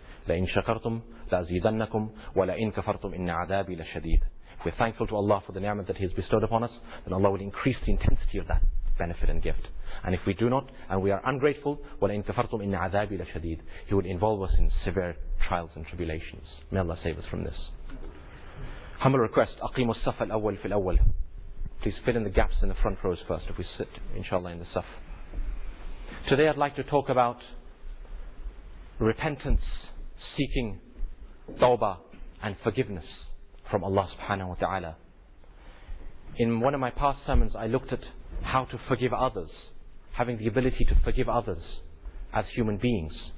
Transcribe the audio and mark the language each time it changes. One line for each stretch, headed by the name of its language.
Arabic: لَإِن شَكَرْتُمْ لَأَزِيدَنَّكُمْ وَلَإِن كَفَرْتُمْ إِنَّ عَذَابِي لَشَدِيدٌ.
English: If we're thankful to Allah for the ni'mat that He has bestowed upon us, then Allah will increase the intensity of that benefit and gift. And if we do not, and we are ungrateful,
Arabic: وَلَإِن كَفَرْتُمْ إِنَّ عَذَابِي لَشَدِيدٌ,
English: He will involve us in severe trials and tribulations. May Allah save us from this. Humble request:
Arabic: أَقِيمُ الصَّفَ الْأَوَّلِ فِي الْأَوَّلِ.
English: Please fill in the gaps in the front rows first, if we sit, inshallah, in the saf. Today I'd like to talk about repentance, seeking tawbah and forgiveness from Allah subhanahu wa ta'ala. In one of my past sermons, I looked at how to forgive others, having the ability to forgive others as human beings.